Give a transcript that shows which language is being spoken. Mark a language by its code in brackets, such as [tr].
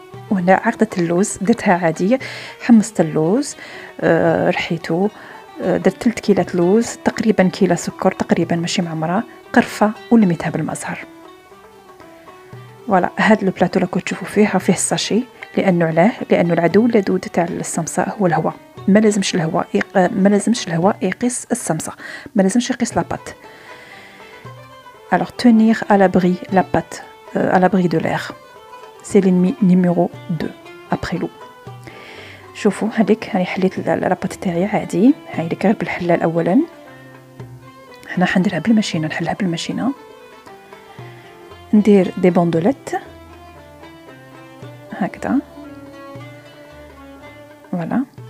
[ar] وهنا عقدة اللوز درتها عاديه، حمصت اللوز رحيتو، درت 3 كيلات لوز، تقريبا كيلة سكر تقريبا ماشي معمره، قرفه ولميتها بالمزهر. فوالا هذا البلاطو اللي كنت تشوفوا فيه، فيه الساشي لانه علاه؟ لانه العدو اللدود تاع السمسة هو الهواء. ما لازمش الهواء يقيس السمسة، ما لازمش يقيس لاباط. [fr] alors tenir à l'abri la patte à l'abri de l'air c'est l'ennemi numéro 2 après l'eau. [ar] شوفوا هذيك راني حليت لاباط تاعي عادي، هاي اللي كان بالحلال اولا، هنا حنديرها بالماشينه، نحلها بالماشينه، ندير دي بوندولات هكذا فوالا.